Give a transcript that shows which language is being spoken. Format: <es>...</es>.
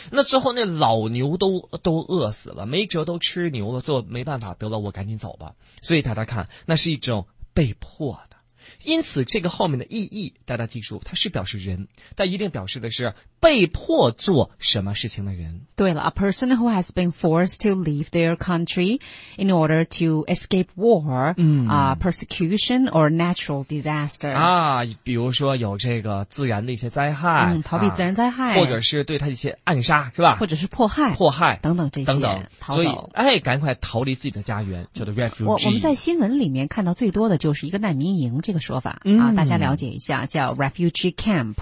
<zh>那之后那老牛都饿死了，没辙，都吃牛了，最后没办法，得了，我赶紧走吧。所以大家看，那是一种被迫的。因此这个后面的意义，大家记住，它是表示人，但一定表示的是被迫做什么事情的人。对了，</zh> <en>A person who has been forced to leave their country in order to escape war、persecution or natural disaster</en> <zh>啊，比如说有这个自然的一些灾害、逃避自然灾害、或者是对他一些暗杀是吧，或者是迫害等等这些等等，逃走，所以哎，赶快逃离自己的家园，叫做 refugee。我们在新闻里面看到最多的就是一个难民营这个说法、大家了解一下，叫 refugee camp。</zh>